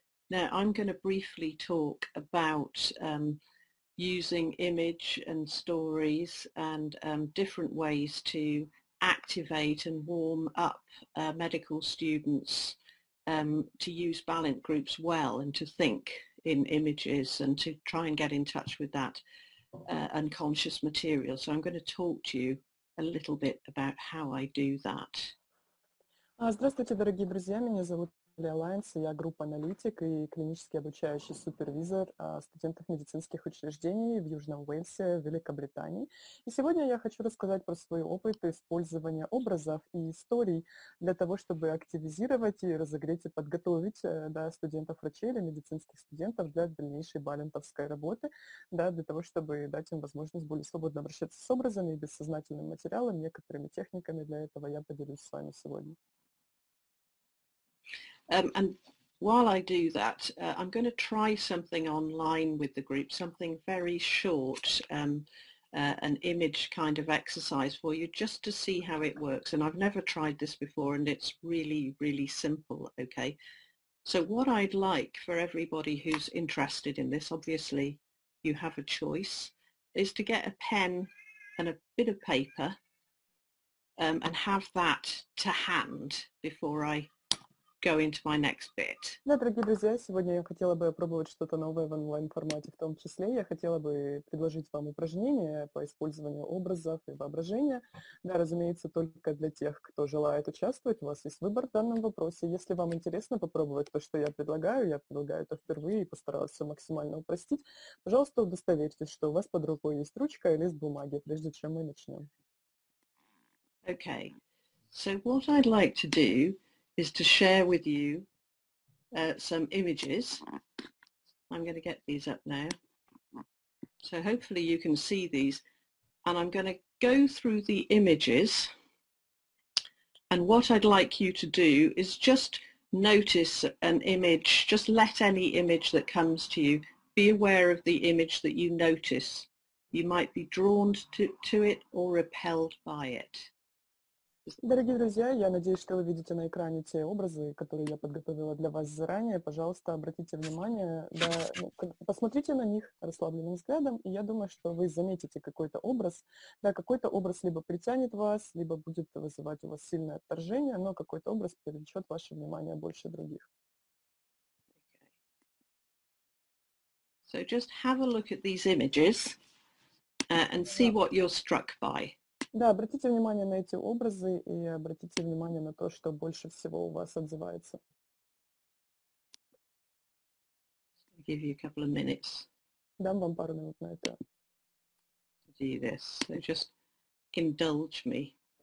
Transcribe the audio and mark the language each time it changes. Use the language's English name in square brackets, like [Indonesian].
[English] Now I'm going to briefly talk about using image and stories and different ways to activate and warm up medical students to use balint groups well and to think in images and to try and get in touch with that unconscious material. So I'm going to talk to you a little bit about how I do that. [Russian] Здравствуйте, дорогие друзья. Меня зовут Амелия Лайнс. Я групп-аналитик и клинически обучающий супервизор студентов медицинских учреждений в Южном Уэльсе, в Великобритании. И сегодня я хочу рассказать про свой опыт использования образов и историй для того, чтобы активизировать и разогреть и подготовить студентов-врачей или медицинских студентов для дальнейшей балинтовской работы, для того, чтобы дать им возможность более свободно обращаться с образами и бессознательным материалом, некоторыми техниками. Для этого я поделюсь с вами сегодня. [English] And while I do that, I'm going to try something online with the group, something very short, an image kind of exercise for you just to see how it works. And I've never tried this before and it's really, really simple, okay? So what I'd like for everybody who's interested in this, obviously you have a choice, is to get a pen and a bit of paper and have that to hand before I go into my next bit. [Russian] Да, дорогие друзья, сегодня я хотела бы пробовать что-то новое в онлайн-формате, в том числе я хотела бы предложить вам упражнение по использованию образов и воображения. Да, разумеется, только для тех, кто желает участвовать, у вас есть выбор в данном вопросе. Если вам интересно попробовать то, что я предлагаю это впервые и постаралась все максимально упростить, пожалуйста, удостоверьтесь, что у вас под рукой есть ручка и лист бумаги, прежде чем мы начнем. [English] Okay. So what I'd like to do is to share with you some images. I'm going to get these up now. So hopefully you can see these. And I'm going to go through the images. And what I'd like you to do is just notice an image, just let any image that comes to you, be aware of the image that you notice. You might be drawn to it or repelled by it. [Russian] Дорогие друзья, я надеюсь, что вы видите на экране те образы, которые я подготовила для вас заранее. Пожалуйста, обратите внимание, посмотрите на них расслабленным взглядом, и я думаю, что вы заметите какой-то образ. Да, какой-то образ либо притянет вас, либо будет вызывать у вас сильное отторжение, но какой-то образ привлечет ваше внимание больше других. [English] So just have a look at these images and see what you're struck by. [Russian] Да, обратите внимание на эти образы и обратите внимание на то, что больше всего у вас отзывается. [English] Give you a couple of minutes. [Russian] Дам вам пару минут на это. [English] Do this. So just indulge me.